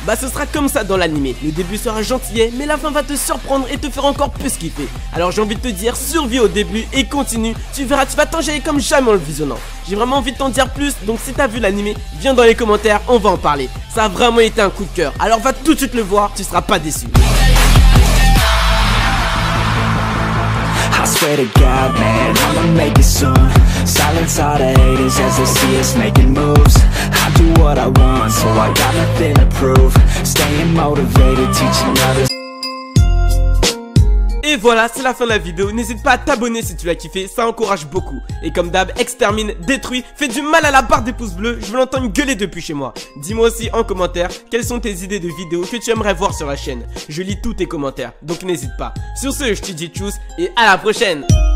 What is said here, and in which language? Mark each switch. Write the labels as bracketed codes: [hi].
[fr] Bah ce sera comme ça dans l'animé. Le début sera gentillet, mais la fin va te surprendre et te faire encore plus kiffer. Alors j'ai envie de te dire, survie au début et continue, tu verras, tu vas t'enjailler comme jamais en le visionnant. J'ai vraiment envie de t'en dire plus, donc si t'as vu l'animé, viens dans les commentaires, on va en parler. Ça a vraiment été un coup de cœur, alors va tout de suite le voir, tu seras pas déçu. [en] I swear to God, man, I'ma make it soon. Silence all the haters as they see us making moves. I do what I want, so I got nothing to prove. Staying motivated, teaching others. [fr] Et voilà, c'est la fin de la vidéo. N'hésite pas à t'abonner si tu l'as kiffé, ça encourage beaucoup. Et comme d'hab, extermine, détruis, fais du mal à la barre des pouces bleus. Je veux l'entendre gueuler depuis chez moi. Dis-moi aussi en commentaire quelles sont tes idées de vidéos que tu aimerais voir sur la chaîne. Je lis tous tes commentaires, donc n'hésite pas. Sur ce, je te dis tchuss et à la prochaine.